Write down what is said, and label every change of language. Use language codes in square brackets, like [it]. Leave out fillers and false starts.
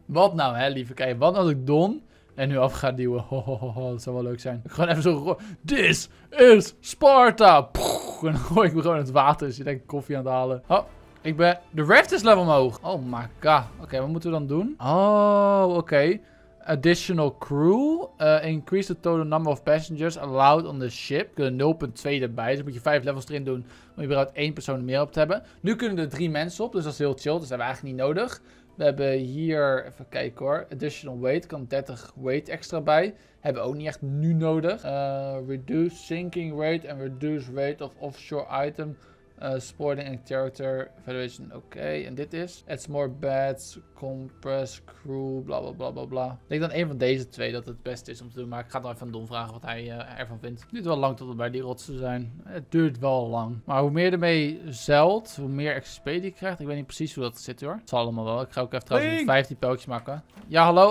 [nl] Wat nou, hè, lieve? Kijk, wat als ik Don en nu af ga duwen? Dat zou wel leuk zijn. Ik ga gewoon even zo... [en] This is Sparta! [nl] Pff, en dan gooi ik me gewoon in het water. Dus je denkt koffie aan het halen. Oh, Ik ben... De raft is level omhoog. [en] Oh my god. [nl] Oké, okay, wat moeten we dan doen? [en] Oh, oké. Okay. Additional crew. Increase the total number of passengers allowed on the ship. [nl] Kunnen 0.2 erbij. Dus moet je 5 levels erin doen om je überhaupt 1 persoon meer op te hebben. Nu kunnen er 3 mensen op. Dus dat is heel chill. Dus dat hebben we eigenlijk niet nodig. We hebben hier... Even kijken hoor. [en] Additional weight. [nl] Kan 30 weight extra bij. Hebben we ook niet echt nu nodig. [en] Reduce sinking rate and reduce rate of offshore item. Sporting and character evaluation. [nl] Oké, en dit is. [en] Adds more beds, compress crew, [nl] bla bla bla bla bla. Ik denk dan een van deze twee dat het beste is om te doen. Maar ik ga dan even aan Don vragen wat hij ervan vindt. Het duurt wel lang tot we bij die rotsen zijn. Het duurt wel lang. Maar hoe meer ermee zeilt, hoe meer XP die krijgt. Ik weet niet precies hoe dat zit hoor. Het zal allemaal wel. Ik ga ook even trouwens 15 pijltjes maken. Ja, hallo.